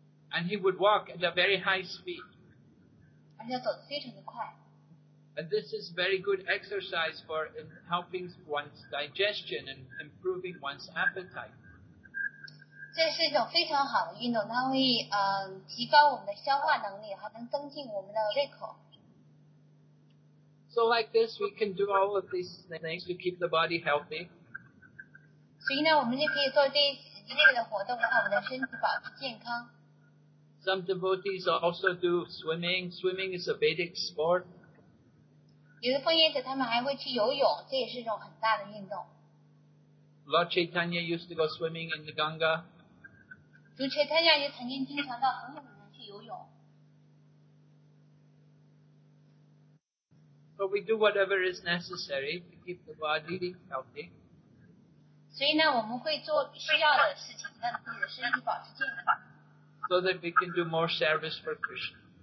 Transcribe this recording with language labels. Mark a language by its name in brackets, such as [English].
[English] And he would walk at a very high speed. And this is very good exercise for helping one's digestion and improving one's appetite. [Chinese] 这是一种非常好的运动，它会提高我们的消化能力，还能增进我们的胃口。 [English] So like this, we can do all of these things to keep the body healthy. [Chinese] 所以呢，我们就可以做这一类的活动，让我们的身体保持健康。 [English] Some devotees also do swimming. Swimming is a Vedic sport. [Chinese] 有的奉献者他们还会去游泳，这也是一种很大的运动。 [English] Lord Chaitanya used to go swimming in the Ganga. [Chinese] 主 Chaitanya 也曾经经常到恒河里面去游泳。 [English] But we do whatever is necessary to keep the body healthy. [Chinese] 所以呢，我们会做需要的事情，让自己的身体保持健康。 [English] So that we can do more service for Krishna.